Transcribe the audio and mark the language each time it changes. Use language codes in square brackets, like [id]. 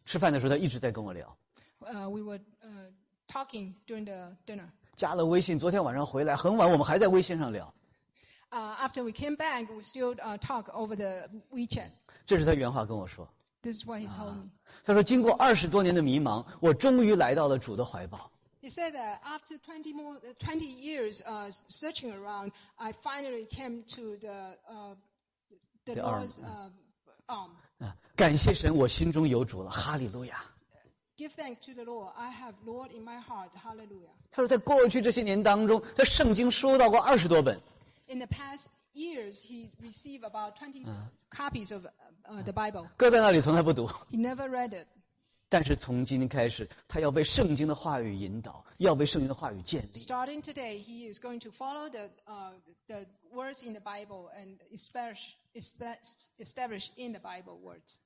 [zh] 吃饭的时候他一直在跟我聊。 [en] We were talking during the dinner. [zh] 加了微信，昨天晚上回来很晚，我们还在微信上聊。 [en] After we came back, we still talk over the WeChat. [zh] 这是他原话跟我说。 [en] This is what he told me. [zh] 他说经过20多年的迷茫，我终于来到了主的怀抱。 [en] He said that after 20 years searching around, I finally came to the Lord's arm. [zh] 感谢神，我心中有主了，哈利路亚。 [en] Give thanks to the Lord, I have Lord in my heart, hallelujah. [zh] 他说，在过去这些年当中，他圣经收到过20多本。 [en] In the past years he received about 20 copies of the Bible. [zh] 搁在那里从来不读。 [en] He never read it. [zh] 但是从今天开始，他要被圣经的话语引导，要被圣经的话语建立。 [en] Starting today, he is going to follow the words in the Bible and establish in the Bible words.